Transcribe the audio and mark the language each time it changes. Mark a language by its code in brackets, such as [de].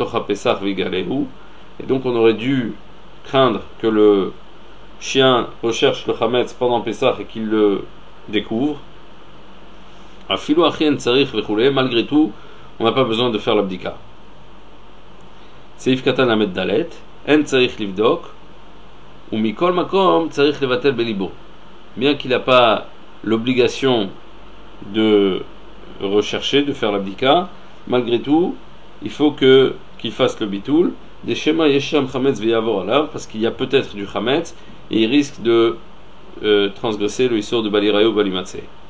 [fr] Et donc on aurait dû craindre que le chien recherche le chametz pendant Pessah et qu'il le découvre. Malgré tout, on n'a pas besoin de faire l'abdika. [he] סעיף קטן למד דלת, אין צריך לבדוק, ומכל מקום צריך לבטל בליבו. [fr] Bien qu'il n'a pas l'obligation de rechercher, de faire la bdika, malgré tout, il faut qu'il fasse le bitoul. Des schémas [he] yesham chametz veyavor alav, [fr] parce qu'il y a peut-être du chametz, et il risque de transgresser le issur de balirayo ou balimatsé.